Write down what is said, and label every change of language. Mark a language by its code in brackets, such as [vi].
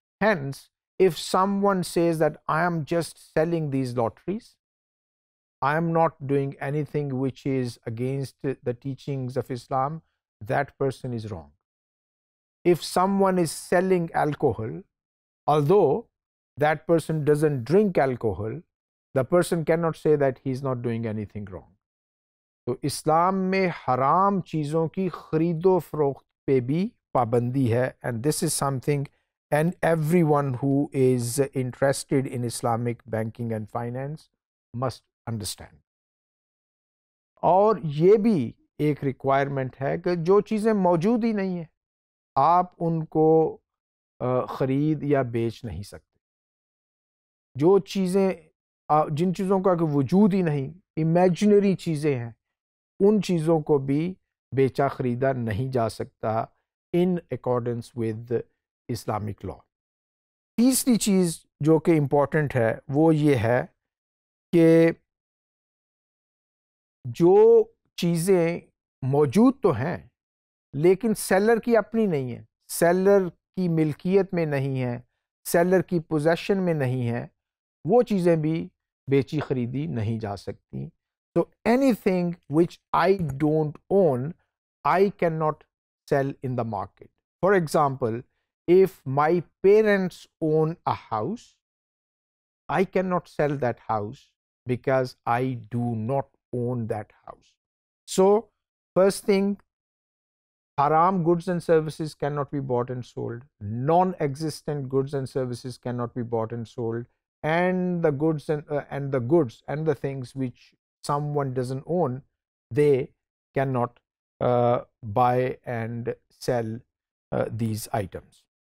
[en] Hence, if someone says that I am just selling these lotteries, I am not doing anything which is against the teachings of Islam, that person is wrong. If someone is selling alcohol, although that person doesn't drink alcohol, the person cannot say that he is not doing anything wrong. [ur] تو اسلام میں حرام چیزوں کی خرید و فروخت پہ بھی پابندی ہے. [en] And this is something and everyone who is interested in Islamic banking and finance must understand. [ur] اور یہ بھی ایک ریکوائرمنٹ ہے کہ جو چیزیں موجود ہی نہیں ہیں آپ ان کو خرید یا بیچ نہیں سکتے. جو چیزیں جن چیزوں کا وجود ہی نہیں, امیجنری چیزیں ہیں, ان چیزوں کو بھی بیچا خریدا نہیں جا سکتا in accordance with Islamic law. تیسری چیز جو کہ امپورٹنٹ ہے وہ یہ ہے کہ جو چیزیں موجود تو ہیں لیکن سیلر کی اپنی نہیں ہیں, سیلر کی ملکیت میں نہیں ہیں, سیلر کی پوزیشن میں نہیں ہیں, وہ چیزیں بھی بیچی خریدی نہیں جا سکتی. [en] تو anything which I don't own I can not sell in the market. For example if my parents own a house I can not sell that house because I do not own that house. So first thing, حرام goods and services can not be bought and sold, non existent goods and services can not be bought and sold, and the goods and the goods and the things which someone doesn't own they cannot buy and sell these items.